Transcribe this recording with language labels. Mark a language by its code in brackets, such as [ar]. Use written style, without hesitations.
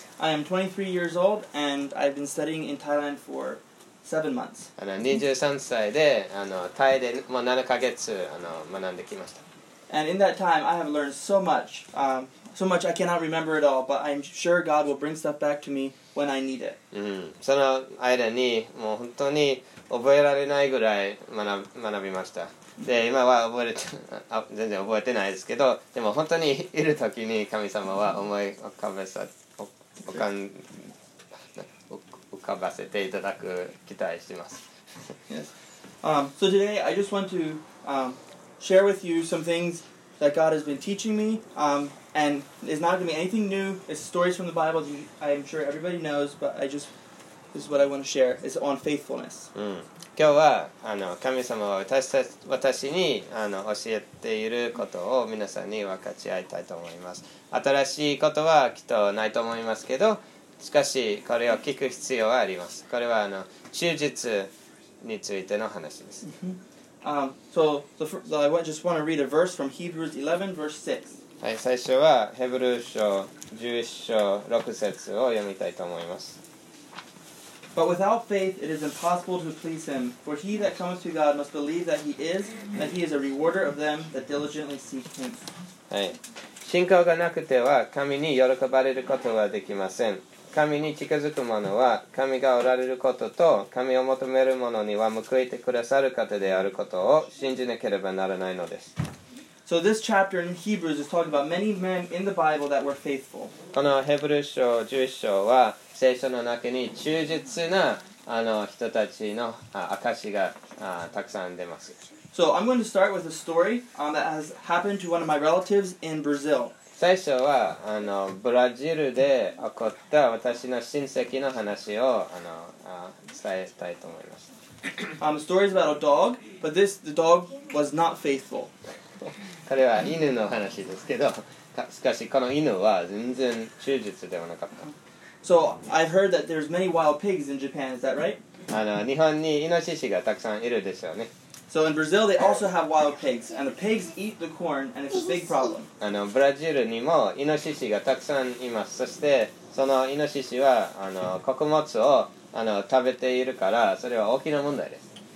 [en] I am 23 years old and I've been studying in Thailand for 7 months. [ja] 23 歳で、タイでもう7ヶ月、学んできました。 [en] And in that time, I have learned so much. So much I cannot remember it all, but I'm sure God will bring stuff back to me when I need it. [ja] その間にもう本当に覚えられないぐらい学びました。で、今は全然覚えてないですけど、でも本当にいる時に神様は思い浮かべさ、浮かばせていただく期待します。 [en] Yes. So today I just want to share with you some things that God has been teaching me. And it's not going to be anything new. It's stories from the Bible that I'm sure everybody knows, but this is what I want to share. It's on faithfulness. [ja] 今日は神様は私に教えていることを皆さんに分かち合いたいと思います。新しいことはきっとないと思いますけど、しかしこれを聞く必要はあります。これは忠実についての話です。 [en] I just want to read a verse from Hebrews 11, verse 6. [ja] はい、最初はヘブル書11章6節を読みたいと思います。 [en] But without faith, it is impossible to please him. For he that comes to God must believe that he is, and that he is a rewarder of them that diligently seek him. [ja] はい。信仰がなくては神に喜ばれることはできません。神に近づく者は神がおられることと神を求める者には報いてくださる方であることを信じなければならないのです。 [en] So this chapter in Hebrews is talking about many men in the Bible that were faithful. [ja] このヘブル書11章は聖書の中に忠実な人たちの証がたくさん出ます。 [en] So I'm going to start with a story that has happened to one of my relatives in Brazil. [ja] 最初はブラジルで起こった私の親戚の話を伝えたいと思います。 [en] The story is about a dog, but the dog was not faithful. [ja] これは犬の話ですけど、しかしこの犬は全然忠実ではなかった。 [en] So, I've heard that there's many wild pigs in Japan, is that right? [ja] 日本にイノシシがたくさんいるでしょうね。 [en] So, in Brazil, they also have wild pigs, and the pigs eat the corn, and it's a big problem. [ja] ブラジルにもイノシシがたくさんいます。そして、そのイノシシは穀物を食べているから、それは大きな問題です。